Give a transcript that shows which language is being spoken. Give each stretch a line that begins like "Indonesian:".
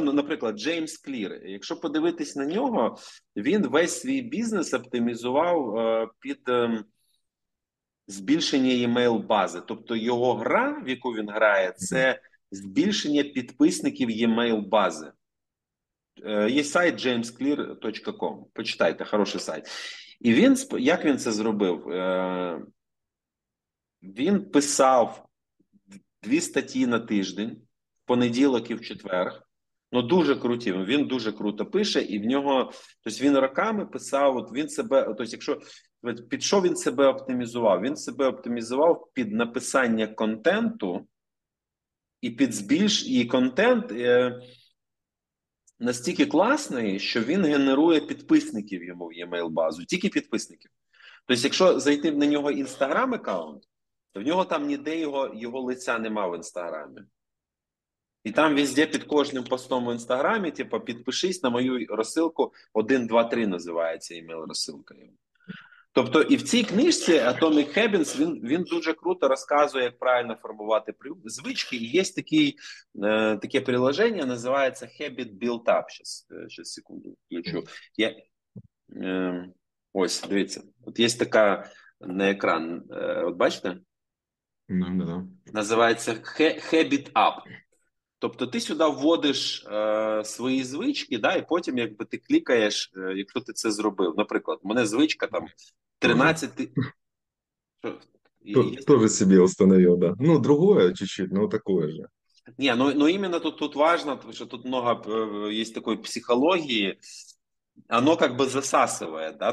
Ukrainian: Ну, наприклад, Джеймс Клір. Якщо подивитись на нього, він весь свій бізнес оптимізував під збільшення емейл-бази. Тобто його гра, в яку він грає, це збільшення підписників емейл-бази. Є сайт jamesclear.com. Почитайте, хороший сайт. І він, як він це зробив? Він писав дві статті на тиждень, в понеділок і в четвер. Ну, дуже круті. Він дуже круто пише, і в нього, тобто він роками писав, от він себе, тобто якщо, під що він себе оптимізував? Він себе оптимізував під написання контенту і під збільш, і контент настільки класний, що він генерує підписників йому в емейл-базу, тільки підписників. Тобто якщо зайти на нього інстаграм-аккаунт, то в нього там ніде його лиця нема в інстаграмі. І там везде під кожним постом в інстаграмі, типу, підпишись на мою розсилку, 1-2-3 називається емейл-розсилка. Тобто і в цій книжці Atomic Habits він дуже круто розказує, як правильно формувати звички. І є такий, таке приложення, називається Habit Built Up. Щас секунду включу. Ось, дивіться. От є така на екран. От бачите? Називається Habit Up. Тобто ти сюди вводиш свої звички, да, і потім якби ти клікаєш, якщо ти це зробив. Наприклад, у мене звичка там 13. Тоже себе встановив, да.
Russian: Ну, другое чуть-чуть, но такое же. Не, ну именно тут важно, потому что тут много есть такой психологии. Оно как бы засасывает, да?